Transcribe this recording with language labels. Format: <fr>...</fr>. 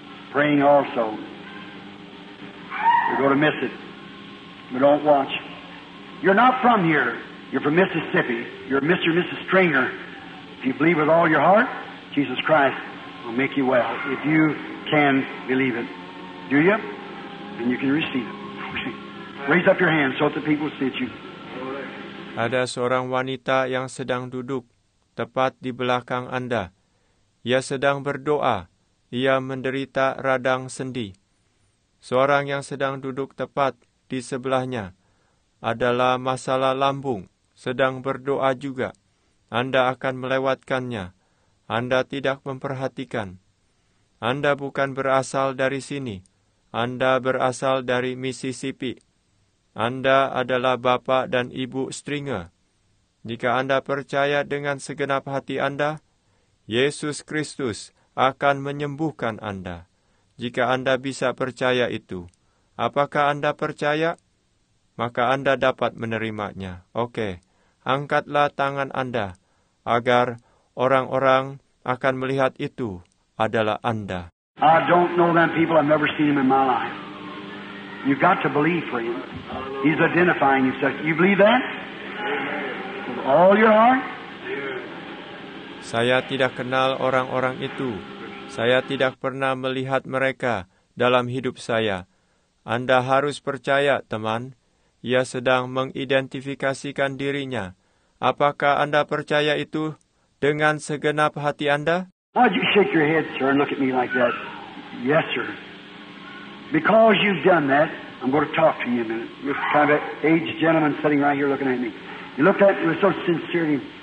<en>Praying also. You're going to miss it. But don't watch. You're not from here. You're from Mississippi. You're Mr. and Mrs. Stringer. If you believe with all your heart, Jesus Christ will make you well. If you can believe it. Do you? Then you can receive it. Raise up your hands so that the people see you.</en> <id>Ada seorang wanita yang sedang duduk tepat di belakang Anda. Ia sedang berdoa. Ia menderita radang sendi. Seorang yang sedang duduk tepat di sebelahnya adalah masalah lambung. Sedang berdoa juga. Anda akan melewatkannya. Anda tidak memperhatikan. Anda bukan berasal dari sini. Anda berasal dari Mississippi. Anda adalah Bapak dan Ibu Stringer. Jika Anda percaya dengan segenap hati Anda, Yesus Kristus akan menyembuhkan Anda. Jika Anda bisa percaya itu, apakah Anda percaya? Maka Anda dapat menerimanya. Oke, angkatlah tangan Anda, agar orang-orang akan melihat itu adalah Anda.</id> <en>I don't know them people. I've never seen them in my life. You've got to believe for him. He's identifying himself. You believe that? With all your heart?</en> <id>Saya tidak kenal orang-orang itu. Saya tidak pernah melihat mereka dalam hidup saya. Anda harus percaya, teman. Ia sedang mengidentifikasikan dirinya. Apakah Anda percaya itu dengan segenap hati Anda?</id> <en>Why'd you shake your head, sir, and look at me like that? Yes, sir. Because you've done that, I'm going to talk to you in a minute. You're kind of an aged gentleman sitting right here looking at me. You looked at me with so sincerity.</en>